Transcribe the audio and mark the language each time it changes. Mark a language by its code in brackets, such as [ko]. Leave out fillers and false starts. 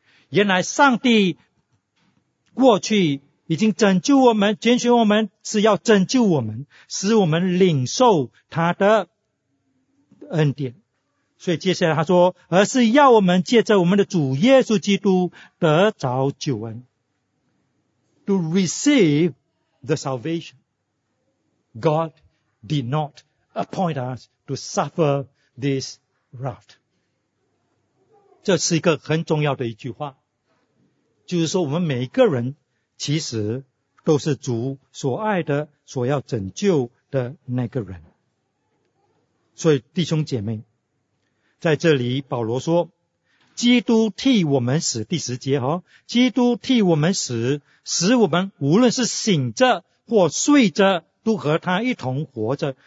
[zh] 原来上帝过去已经拯救我们，拣选我们是要拯救我们，使我们领受他的恩典。所以接下来他说，而是要我们借着我们的主耶稣基督得着救恩。 [en] To receive the salvation, God did not appoint us to suffer this wrath. [zh] 这是一个很重要的一句话，就是说我们每一个人其实都是主所爱的，所要拯救的那个人。所以弟兄姐妹，在这里保罗说，基督替我们死，第十节，基督替我们死，使我们无论是醒着或睡着都和他一同活着。